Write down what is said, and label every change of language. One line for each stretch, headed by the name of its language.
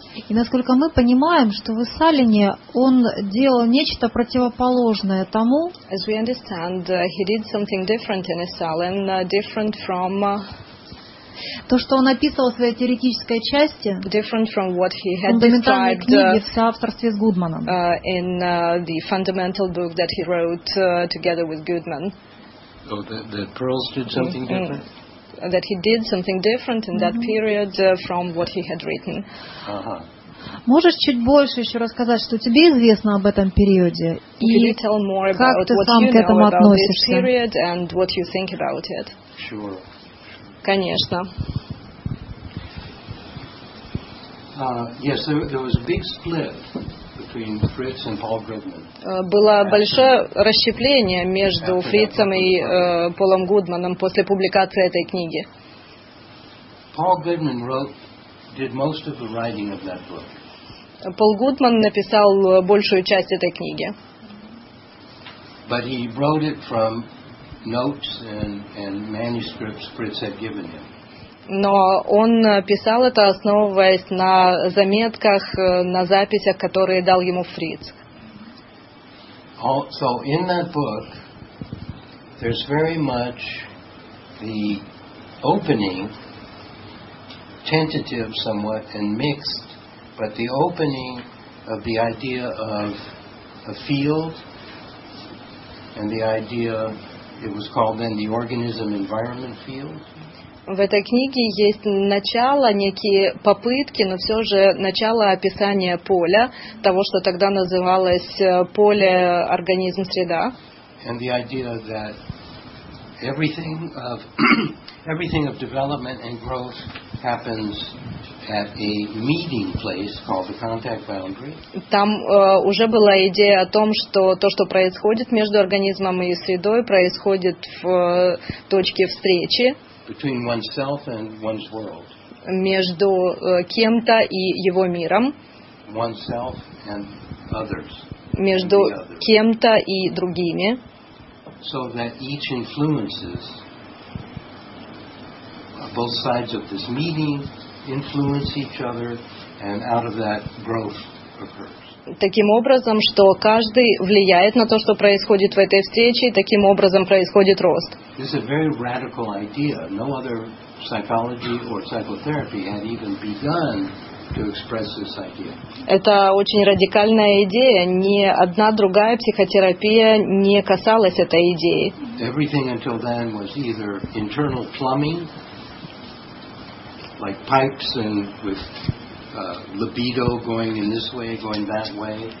Russian: И насколько мы понимаем, что в Эссалине он делал нечто противоположное тому.
English: As we understand, he did something different in Эссалин, different from
Russian: То, что он описывал в своей теоретической части,
English: different from what he had
Russian: фундаментальной
English: described,
Russian: книге в соавторстве с Гудманом.
English: In the fundamental book that he wrote together with Goodman. Oh, that Pearls did something different? That he did something different in that period from what he had written.
Russian: Можешь чуть больше еще рассказать, что тебе известно об этом периоде и как ты сам к этому относишься?
English: Sure.
Russian: Конечно.
English: Yes, there was a big split between Fritz and Paul Goodman.
Russian: Было большое расщепление между Фрицем и Полом Гудманом после публикации этой книги.
English: Paul Goodman did most of the writing of that book.
Russian: Пол Гудман написал большую часть этой книги.
English: But he wrote it from notes and manuscripts Fritz had given him.
Russian: Но он писал это, основываясь на заметках, на записях, которые дал ему Фриц.
English: So in that book there's very much the opening, tentative somewhat and mixed, but the opening of the idea of a field and the idea, it was called then the organism environment field.
Russian: В этой книге есть начало, некие попытки, но все же начало описания поля, того, что тогда называлось поле, организм, среда.
English: And the idea that everything of development and growth happens at a meeting place called the contact boundary.
Russian: Там уже была идея о том, что то, что происходит между организмом и средой, происходит в точке встречи.
English: Between oneself and one's world.
Russian: Между кем-то и его миром.
English: Oneself and others.
Russian: Между кем-то и другими.
English: So that each influences both sides of this meeting, influence each other, and out of that growth occurs.
Russian: Таким образом, что каждый влияет на то, что происходит в этой встрече, и таким образом происходит рост.
English: This is a very radical idea. No other psychology or psychotherapy had even begun to express this idea.
Russian: Это очень радикальная идея. Ни одна другая психотерапия не касалась этой идеи.
English: Everything until then was either internal plumbing, like pipes and with libido going in this way, going that way.